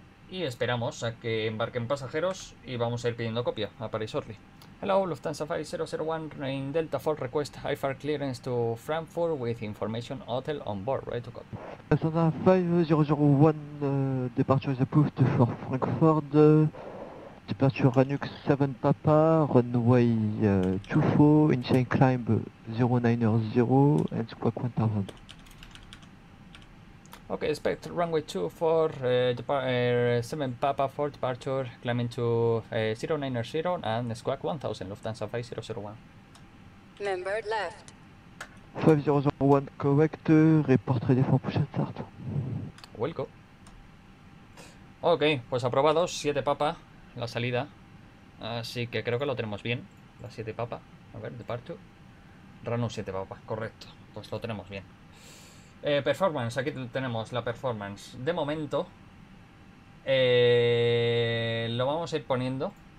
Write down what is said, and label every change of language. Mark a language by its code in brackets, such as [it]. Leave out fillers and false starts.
[es] Y esperamos a que embarquen pasajeros y vamos a ir pidiendo copia a Paris Orly. [en] Hello, Lufthansa 5001 in Delta 4 request IFR clearance to Frankfurt with information hotel on board, ready to copy. Lufthansa 5001, departure is approved for Frankfurt. Departure Ranux 7 Papa, runway 24, initial climb 090 and squawk 1000. Ok, expect runway 24, 7 Papa for departure, climbing to 090 and squawk 1000, Lufthansa 5001. Member left. 5001 correct, report ready for push and start. Welcome. [es] Ok, pues aprobados, 7 Papa, la salida. Así que creo que lo tenemos bien, la 7 Papa. A ver, departure. Runway 7 Papa, correcto, pues lo tenemos bien. Performance, aquí tenemos la performance. De momento, lo vamos a ir poniendo.